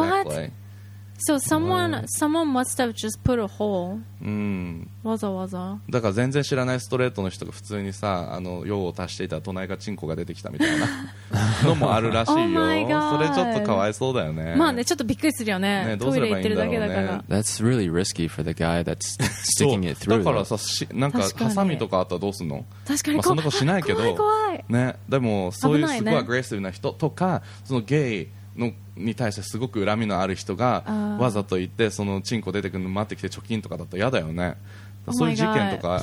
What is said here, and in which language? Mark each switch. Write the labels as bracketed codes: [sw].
[en] What? So someone must have just put a hole. [ja] わざわざ。だから全然知らないストレートの人が普通にさ、あの用を足していた隣がチンコが出てきたみたいなのもあるらしいよ。 [en] Oh my God. [ja] それちょっとかわいそうだよね。まあね、ちょっとびっくりするよね。ね、どうすればいいんだろうね。 [en] That's really risky for the guy that's sticking it through. [ja] だからさ、なんかハサミとかあったらどうすんの？確かに、まあ、そんなことしないけど。怖い怖い。ね、でもそういうすごいアグレッシブな人とか、そのゲイのに対してすごく恨みのある人がわざと言ってそのチンコ出てくるの待ってきて貯金とかだと嫌だよね。そういう事件とか。